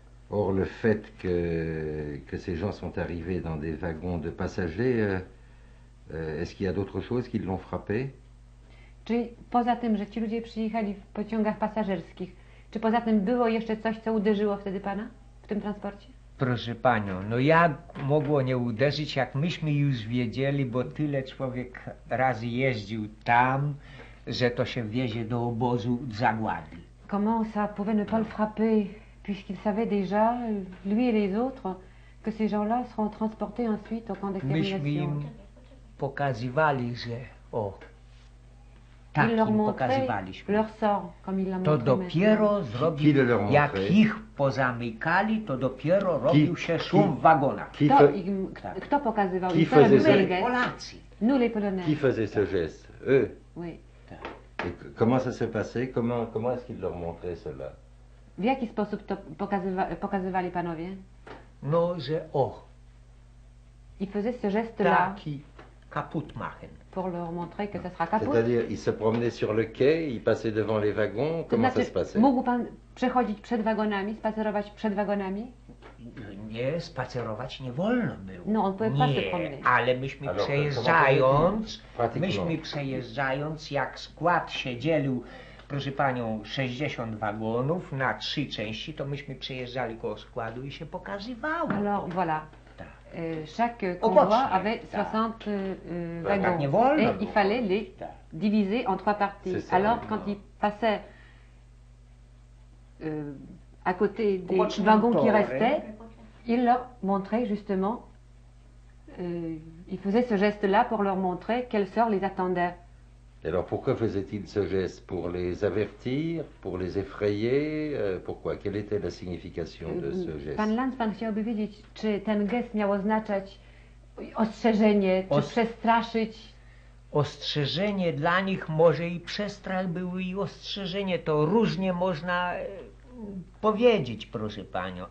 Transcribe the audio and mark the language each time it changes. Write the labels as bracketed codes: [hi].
[fr] Or, le fait que ces gens sont arrivés dans des wagons de passagers, est-ce qu'il y a d'autres choses qui l'ont frappé? [pl] Czy poza tym, że ci ludzie przyjechali w pociągach pasażerskich, czy poza tym było jeszcze coś, co uderzyło wtedy pana w tym transporcie? Proszę panią, no jak mogło nie uderzyć, jak myśmy już wiedzieli, bo tyle człowiek razy jeździł tam, że to się wiezie do obozu zagłady. [fr] Comment ça pouvait ne pas le frapper? Puisqu'il savait déjà, lui et les autres, que ces gens-là seront transportés ensuite au camp d'extermination. [pl] Myśmy im pokazywali, że... O. [fr] Tak, ils leur montraient leur sort, comme ils l'ont montré zrobił, qui le leur montrait? [pl] Jak ich pozamykali, to dopiero robił się szum w wagonach. Kto pokazywał? [fr] Qui faisait ce geste? [pl] Polacy. [fr] Nous, les Polonais. Qui faisait ce geste? Eux? Oui. Et comment ça s'est passé? Comment est-ce qu'ils leur montraient cela? [pl] W jaki sposób to pokazywali panowie? No, że o. [fr] Ils faisaient ce geste-là. [de] Taki kaput machen. [fr] Pour leur montrer que ça sera kaput. C'est-à-dire, ils se promenaient sur le quai, ils passaient devant les wagons. Comment [pl] znaczy, [fr] ça se passait? [pl] Mógł pan przechodzić przed wagonami, spacerować przed wagonami? Nie, spacerować nie wolno było. [fr] No, on pouvait pas se promener. [pl] Ale myśmy przejeżdżając, jak skład się dzielił, proszę panią, 60 wagonów na trzy części, to myśmy przejeżdżali koło składu i się pokazywało. [fr] No, voilà. Chaque convoi avait 60 wagons et il fallait les diviser en trois parties. Alors, quand ils passaient à côté des wagons qui restaient, ils leur montraient justement, ils faisaient ce geste-là pour leur montrer quel sort les attendait. Alors, pourquoi faisaient-ils ce geste? Pour les avertir? Pour les effrayer? Pourquoi? Quelle était la signification de ce geste? [pl] Pan Lanz, pan chciałby wiedzieć, czy ten gest miał oznaczać ostrzeżenie, czy przestraszyć? Ostrzeżenie dla nich może i przestrach był i ostrzeżenie. To różnie można powiedzieć, proszę panią.